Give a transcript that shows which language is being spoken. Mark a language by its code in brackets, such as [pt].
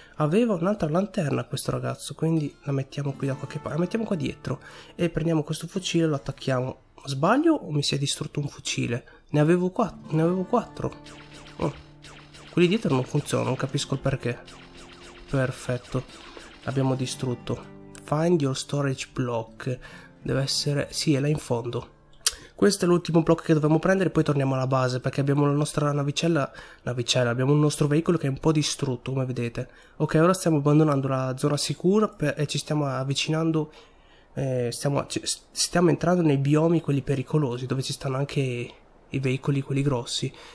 [it] Aveva un'altra lanterna questo ragazzo, quindi la mettiamo qui da qualche parte. La mettiamo qua dietro e prendiamo questo fucile e lo attacchiamo. Sbaglio o mi si è distrutto un fucile? Ne avevo quattro. Oh. Quelli dietro non funzionano, non capisco il perché. Perfetto, l'abbiamo distrutto. [en] Find your storage block. [it] Deve essere... sì, è là in fondo. Questo è l'ultimo blocco che dobbiamo prendere e poi torniamo alla base, perché abbiamo la nostra navicella, abbiamo il nostro veicolo che è un po' distrutto, come vedete. Ok, ora stiamo abbandonando la zona sicura e ci stiamo avvicinando, stiamo entrando nei biomi quelli pericolosi, dove ci stanno anche i veicoli quelli grossi.